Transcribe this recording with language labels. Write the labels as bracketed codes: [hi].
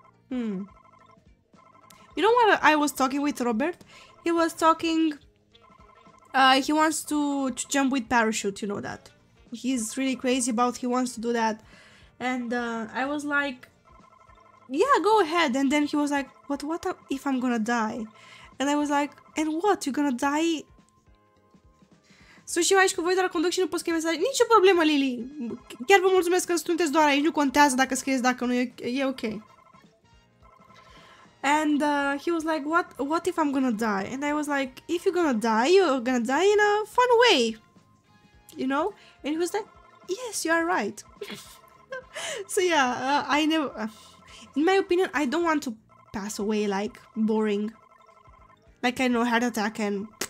[en] You know what I was talking with Robert? He was talking... he wants to jump with parachute, you know that. He's really crazy about he wants to do that. And I was like, yeah, go ahead. And then he was like, but what if I'm gonna die? And I was like, and what? You're gonna die? [ro] Sunt și eu aici cu voi, dar conduc și nu pot scrie mesaje. Nicio problemă, Lily. Chiar vă mulțumesc că sunteți doar aici. Nu contează dacă scrieți, dacă nu. E ok. [en] And he was like, what if I'm gonna die? And I was like, if you're gonna die, you're gonna die in a fun way. You know? And he was like, yes, you are right. So yeah, I never. In my opinion, I don't want to pass away like boring, like I know heart attack and.